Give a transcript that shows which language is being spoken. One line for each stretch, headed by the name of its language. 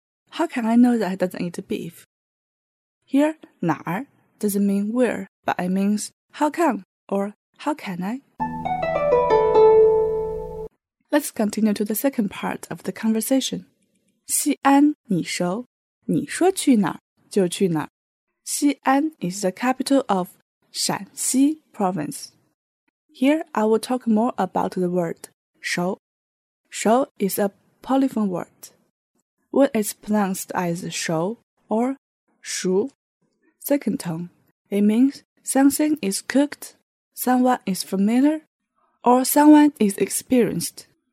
English: How can I know that he doesn't eat beef? Here, 哪儿 doesn't mean where, but it means how come or how can I? Let's continue to the second part of the conversation.
Chinese: 西安你熟，你说去哪儿就去哪儿。
English: 西安 is the capital of 陕西 province. Here, I will talk more about the word 熟. 熟 is a polyphone word. When it's pronounced as 熟 or 熟,Second tone, it means something is cooked, someone is familiar, or someone is experienced.